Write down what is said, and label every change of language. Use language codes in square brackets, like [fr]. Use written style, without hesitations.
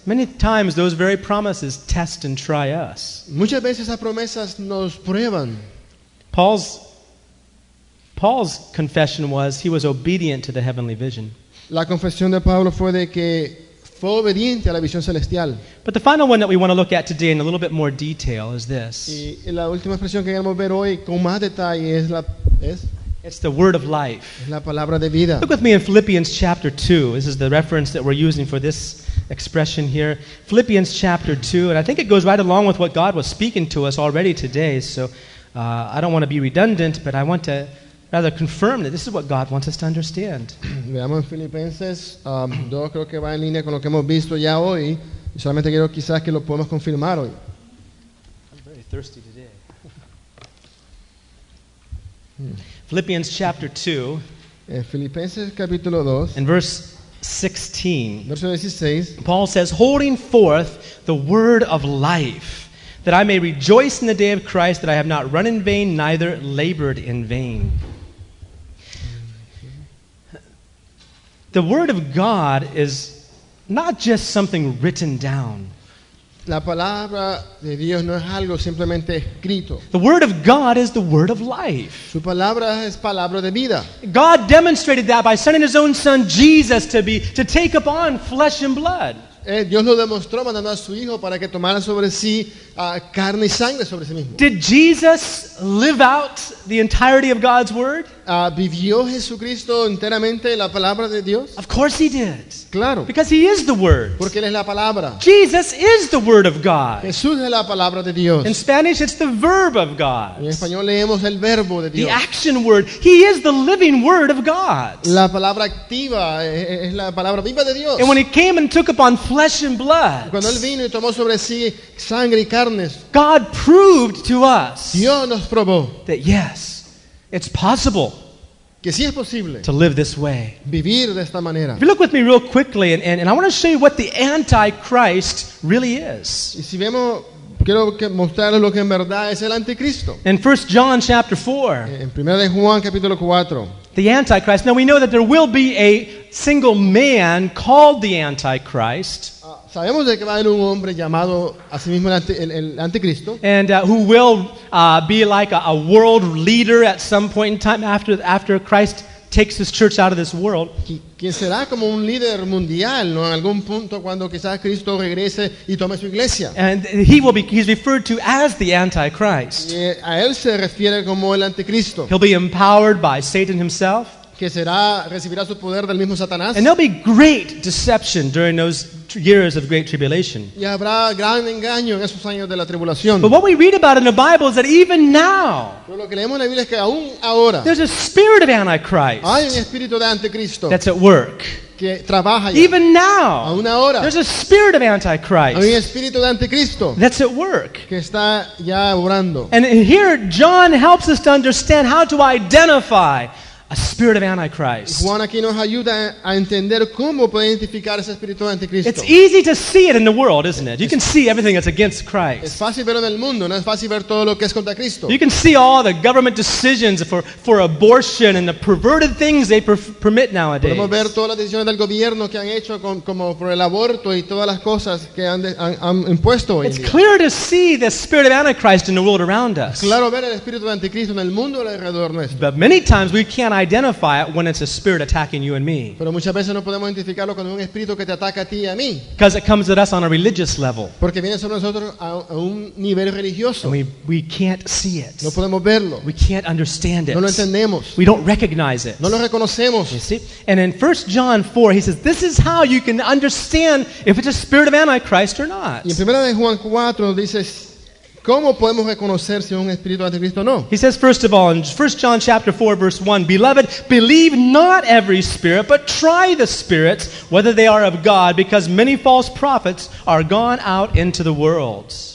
[en] many times those very promises test and try us. [es] Muchas veces esas promesas nos prueban. [en] Paul's confession was he was obedient to the heavenly vision. [es] La confesión de Pablo fue de que fue obediente a la visión celestial. [en] But the final one that we want to look at today in a little bit more detail is this. [es] Y la última expresión que queremos ver hoy con más detalle es [en] it's the word of life. [es] Es la palabra de vida. [en] Look with me in Philippians chapter 2. This is the reference that we're using for this expression here. Philippians chapter 2, and I think it goes right along with what God was speaking to us already today. So I don't want to be redundant, but I want to rather confirm that this is what God wants us to understand. [es] Veamos en Filipenses 2, creo que va en línea con lo que hemos visto ya hoy. Y solamente quiero quizás que lo podamos confirmar hoy. [en] I'm very thirsty today. Philippians chapter 2. [es] Filipenses capítulo 2. [en] And verse 16. Paul says, holding forth the word of life, that I may rejoice in the day of Christ, that I have not run in vain, neither labored in vain. The word of God is not just something written down. [es] La palabra de Dios no es algo simplemente escrito. [en] The word of God is the word of life. [es] Su palabra es palabra de vida. [en] God demonstrated that by sending his own son Jesus to take upon flesh and blood. [es] Dios lo demostró mandando a su hijo para que tomara sobre sí carne y sangre sobre sí mismo. [en] Did Jesus live out the entirety of God's word? [es] ¿Vivió Jesucristo enteramente la palabra de Dios? [en] Of course he did. [es] Claro. [en] Because he is the word. [es] Porque él es la palabra. [en] Jesus is the word of God. [es] Jesús es la palabra de Dios. [en] In Spanish it's the verb of God. [es] En español leemos el verbo de Dios. [en] The action word. He is the living word of God. [es] La palabra activa es la palabra viva de Dios. [en] And when he came and took upon flesh and blood. [es] Cuando él vino y tomó sobre sí sangre y carnes. [en] God proved to us. [es] Dios nos probó. [en] That yes. It's possible [es] que sí es posible [en] to live this way. [es] Vivir de esta manera. [en] If you look with me real quickly, and I want to show you what the Antichrist really is. [es] Y si vemos, quiero mostrarles lo que en verdad es el Anticristo. [en] In 1 John chapter 4. [es] En 1 Juan capítulo 4. [en] The Antichrist. Now we know that there will be a single man called the Antichrist. [es] Sabemos de que va a haber un hombre llamado a sí mismo el Anticristo. [en] And who will be like a world leader at some point in time after Christ takes his church out of this world. [es] Quien será como un líder mundial, ¿no? En algún punto cuando quizás Cristo regrese y tome su iglesia. [en] And he's referred to as the Antichrist. [es] Y a él se refiere como el Anticristo. [en] He'll be empowered by Satan himself. [es] Que será, recibirá su poder del mismo Satanás. [en] And there'll be great deception during those years of great tribulation. [es] Y habrá gran engaño en esos años de la tribulación. [en] But what we read about in the Bible is that even now, [es] pero lo que leemos en la Biblia es que aún ahora, [en] there's a spirit of Antichrist. [es] Hay un espíritu de Anticristo. [en] That's at work. [es] Que trabaja ya. [en] Even now, [es] aún ahora, [en] there's a spirit of Antichrist. [es] Hay un espíritu de Anticristo. [en] That's at work. [es] Que está ya obrando. [en] And here John helps us to understand how to identify a spirit of Antichrist. [es] Juan aquí nos ayuda a entender cómo puede identificar ese espíritu de Anticristo. [en] It's easy to see it in the world, isn't it? You can see everything that's against Christ. [es] Es fácil verlo en el mundo, no es fácil ver todo lo que es contra Cristo. [en] You can see all the government decisions for abortion and the perverted things they permit nowadays. [es] Podemos ver todas las decisiones del gobierno que han hecho como por el aborto y todas las cosas que han impuesto hoy. [en] It's clear to see the spirit of Antichrist in the world around us. [es] Claro ver el espíritu de Anticristo en el mundo alrededor nuestro. [en] But many times we can't identify it when it's a spirit attacking you and me. [es] Pero muchas veces no podemos identificarlo cuando es un espíritu que te ataca a ti y a mí. [en] Because it comes at us on a religious level. [es] Porque viene sobre nosotros a un nivel religioso. [en] And we can't see it. [es] No podemos verlo. [en] We can't understand it. [es] No lo entendemos. [en] We don't recognize it. [es] No lo reconocemos. [en] You see? And in 1 John 4, he says, this is how you can understand if it's a spirit of Antichrist or not. [es] Y en 1 Juan 4 dices, ¿cómo podemos reconocer si es un espíritu anticristo o no? [en] He says first of all in 1 John chapter 4 verse 1, beloved, believe not every spirit, but try the spirits whether they are of God, because many false prophets are gone out into the world.